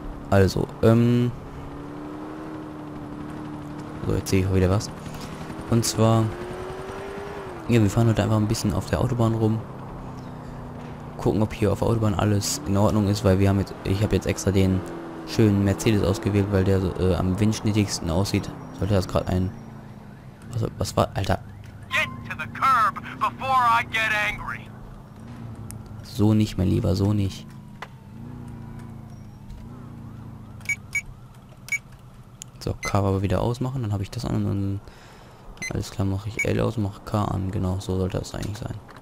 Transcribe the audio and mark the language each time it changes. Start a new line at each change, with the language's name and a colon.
German: Also, so, jetzt sehe ich wieder was. Und zwar, ja, wir fahren heute einfach ein bisschen auf der Autobahn rum. Gucken, ob hier auf der Autobahn alles in Ordnung ist, weil wir haben jetzt, ich habe jetzt extra den schönen Mercedes ausgewählt, weil der am windschnittigsten aussieht. Sollte das gerade ein... Was war... Alter.
English: Get to the curb before I get angry.
German: So nicht, mein Lieber, so nicht. So, K aber wieder ausmachen, dann habe ich das an und alles klar, mache ich L aus, mache K an, genau, so sollte das eigentlich sein.